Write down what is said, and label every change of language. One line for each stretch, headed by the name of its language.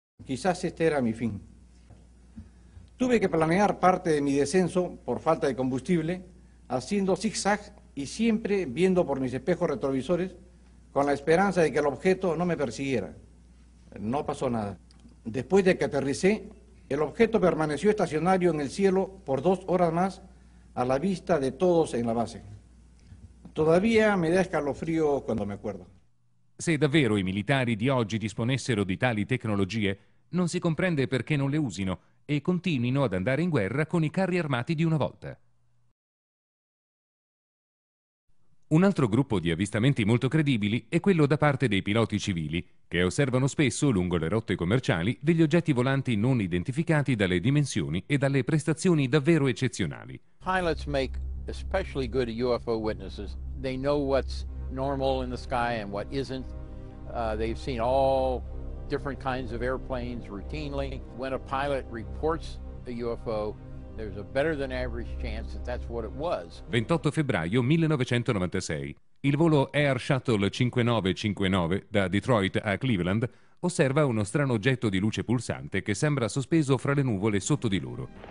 Spanish: Quizás este era mi fin. Tuve que planear parte de mi descenso por falta de combustible, haciendo zigzag y siempre viendo por mis espejos retrovisores, con la esperanza de que el objeto no me persiguiera. No pasó nada. Después de que aterricé, el objeto permaneció estacionario en el cielo por 2 horas más a la vista de todos en la base. Todavía me da escalofrío cuando me acuerdo.
Italian: Se davvero i militari di oggi disponessero di tali tecnologie, non si comprende perché non le usino e continuino ad andare in guerra con i carri armati di una volta. Un altro gruppo di avvistamenti molto credibili è quello da parte dei piloti civili, che osservano spesso, lungo le rotte commerciali, degli oggetti volanti non identificati dalle dimensioni e dalle prestazioni davvero eccezionali.
English: Pilots make especially good UFO witnesses. They know what's normal in the sky and what isn't. They've seen all different kinds of airplanes routinely. When a pilot reports a UFO, there's a better than average chance that that's what it was.
Italian: 28 febbraio 1996. Il volo Air Shuttle 5959 da Detroit a Cleveland osserva uno strano oggetto di luce pulsante che sembra sospeso fra le nuvole sotto di loro.